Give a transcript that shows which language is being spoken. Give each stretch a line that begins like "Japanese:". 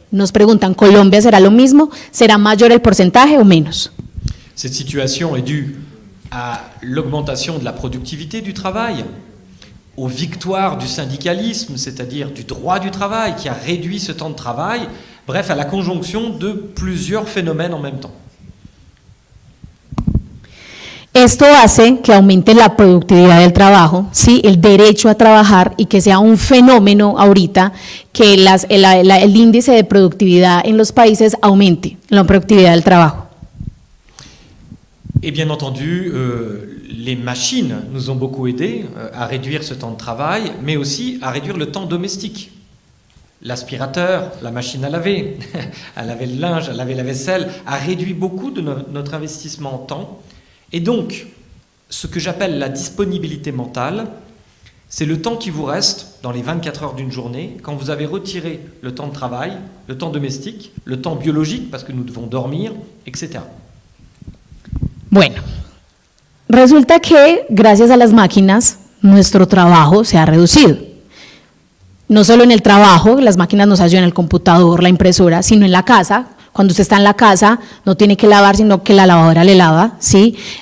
Spanish: Nos preguntan, ¿Colombia será lo mismo? ¿Será mayor el porcentaje o menos?
French: Cette situation est due à l'augmentation de la productivité du travail, aux victoires du syndicalisme, c'est-à-dire du droit du travail, qui a réduit ce temps de travail, bref, à la conjonction de plusieurs phénomènes en même temps.
Spanish: Esto hace que aumente la productividad del trabajo, ¿sí? El derecho a trabajar y que sea un fenómeno ahorita que el índice de productividad en los países aumente la productividad del trabajo.
French: Et bien entendu, les machines nous ont beaucoup aidés à réduire ce temps de travail, mais aussi à réduire le temps domestique. L'aspirateur, la machine à laver le linge, à laver la vaisselle, a réduit beaucoup de notre investissement en temps. Et donc, ce que j'appelle la disponibilité mentale, C'est le temps qui vous reste dans les 24 heures d'une journée, quand vous avez retiré le temps de travail, le temps domestique, le temps biologique, parce que nous devons dormir, etc.
Spanish: Bueno, resulta que gracias a las máquinas, nuestro trabajo se ha reducido. No solo en el trabajo, las máquinas nos ayudan en el computador, la impresora, sino en la casa. Cuando usted está en la casa, no tiene que lavar, sino que la lavadora le lava, ¿sí?